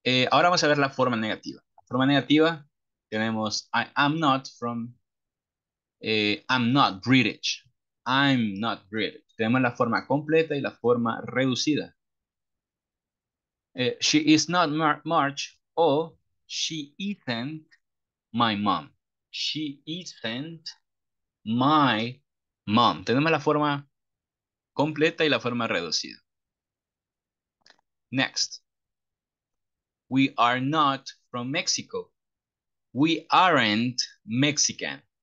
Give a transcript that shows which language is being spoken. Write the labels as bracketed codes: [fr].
[es] Ahora vamos a ver la forma negativa. Forma negativa, tenemos [en] I am not from, I'm not British. I'm not British. [es] Tenemos la forma completa y la forma reducida. [en] She is not March o she isn't my mom. She isn't my mom. [es] Tenemos la forma completa y la forma reducida. [en] Next. We are not from Mexico. We aren't Mexican.